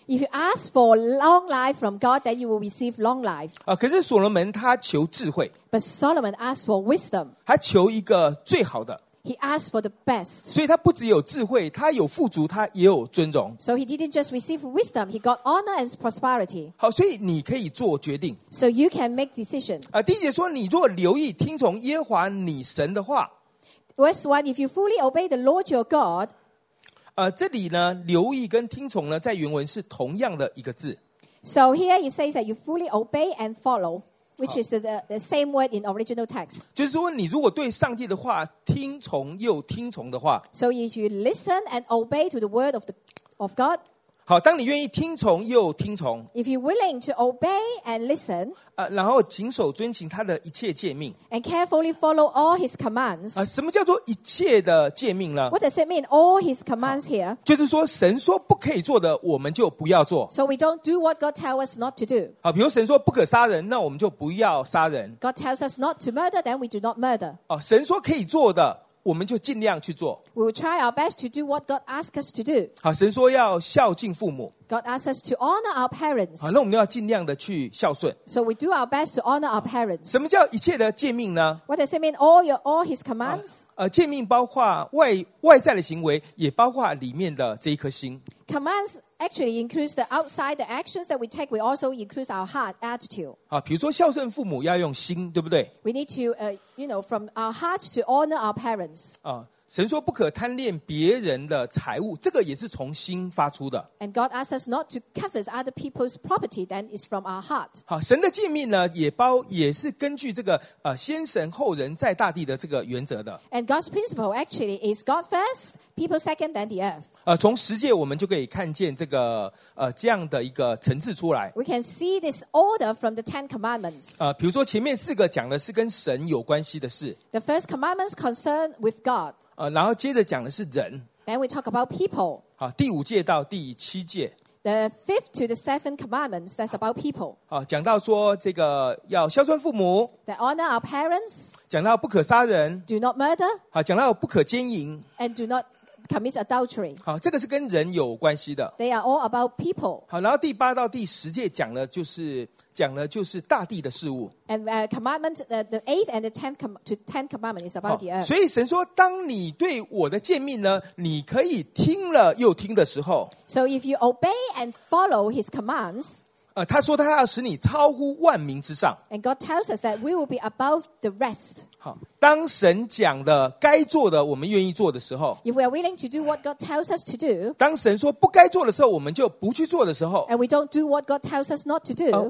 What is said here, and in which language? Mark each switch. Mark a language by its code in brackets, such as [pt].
[en] If you ask for long life from God, then you will receive long life. [zh] 可是所罗门他求智慧。 [en] But Solomon asked for wisdom. [zh] 他求一个最好的。 [en] He asked for the best. [zh] 所以他不只有智慧，他有富足，他也有尊荣。 [en] So he didn't just receive wisdom, he got honor and prosperity. [zh] 好，所以你可以做决定。 [en] So you can make decision. [zh] 第一节说，你若留意听从耶和华你神的话。 [en] Verse one, if you fully obey the Lord your God. [zh] 这里呢，留意跟听从呢，在原文是同样的一个字。 [en] So here it says that you fully obey and follow. Which is the same word in original text. [zh] 就是说你如果对上帝的话听从又听从的话。 [en] So if you listen and obey to the word of God. [zh] 好，当你愿意听从又听从。 [en] If you're willing to obey and listen. [zh] 然后谨守遵行他的一切诫命。 [en] And carefully follow all his commands. [zh] 什么叫做一切的诫命呢？ [en] What does it mean, all his commands here? [zh] 就是说神说不可以做的我们就不要做。 [en] So we don't do what God tells us not to do. [zh] 好，比如神说不可杀人，那我们就不要杀人。 [en] God tells us not to murder, then we do not murder. [zh] 神说可以做的我们就尽量去做。 [en] We will try our best to do what God asks us to do. [zh] 好，神说要孝敬父母。 [en] God asks us to honor our parents. [zh] 好，那我们要尽量的去孝顺。 [en] So we do our best to honor our parents. [zh] 什么叫一切的诫命呢？ [en] What does it mean, all his commands? [zh] 诫命包括外在的行为，也包括里面的这一颗心。 [en] Commands actually includes the outside, the actions that we take, we also include our heart attitude. [zh] 好，比如说孝顺父母要用心，对不对？ [en] We need to, from our hearts to honor our parents. [zh] 神说不可贪恋别人的财物，这个也是从心发出的。 [en] And God asks us not to covet other people's property, then it's from our heart. [zh] 好，神的诫命呢，也是根据这个先神后人在大地的这个原则的。 [en] And God's principle actually is God first, people second, then the earth. [zh] 从十诫我们就可以看见这个这样的一个层次出来。 [en] We can see this order from the Ten Commandments. [zh] 比如说前面四个讲的是跟神有关系的事。 [en] The first commandment is concerned with God. [zh] 然后接着讲的是人。 [en] Then we talk about people. [zh] 好，第五戒到第七戒。 [en] The fifth to the seventh commandments, that's about people. [zh] 好，讲到说这个要孝顺父母。 [en] That honor our parents. [zh] 讲到不可杀人。 [en] Do not murder. [zh] 好，讲到不可奸淫。 [en] And do not commit adultery. [zh] 好，这个是跟人有关系的。 [en] They are all about people. [zh] 好，然后第八到第十戒讲的就是大地的事物。 [en] And commandment the eighth and the tenth commandment is about the earth. [zh] 所以神说，当你对我的诫命呢，你可以听了又听的时候。 [en] So if you obey and follow His commands. [zh] 他说他要使你超乎万民之上。 [en] And God tells us that we will be above the rest. [zh] 好，当神讲的该做的，我们愿意做的时候。 [en] If we are willing to do what God tells us to do. [zh] 当神说不该做的时候，我们就不去做的时候。 [en] And we don't do what God tells us not to do.